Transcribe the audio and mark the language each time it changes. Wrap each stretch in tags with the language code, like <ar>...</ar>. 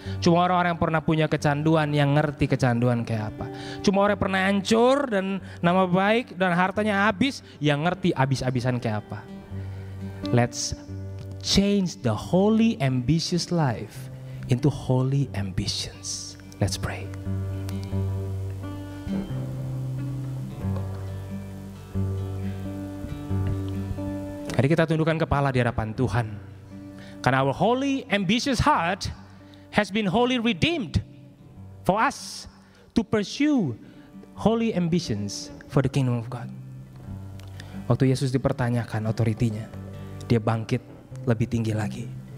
<id>Cuma orang-orang yang pernah punya kecanduan yang ngerti kecanduan kayak apa. Cuma orang yang pernah hancur dan nama baik dan hartanya habis yang ngerti abis-abisan kayak apa.</id> <en>Let's change the holy ambitious life into holy ambitions. Let's pray.</en> <id>Mari kita tundukkan kepala di hadapan Tuhan. Karena</id> <en>our holy ambitious heart has been wholly redeemed for us to pursue holy ambitions for the kingdom of God.</en> <id>Waktu Yesus dipertanyakan otoritinya, dia bangkit lebih tinggi lagi.</id>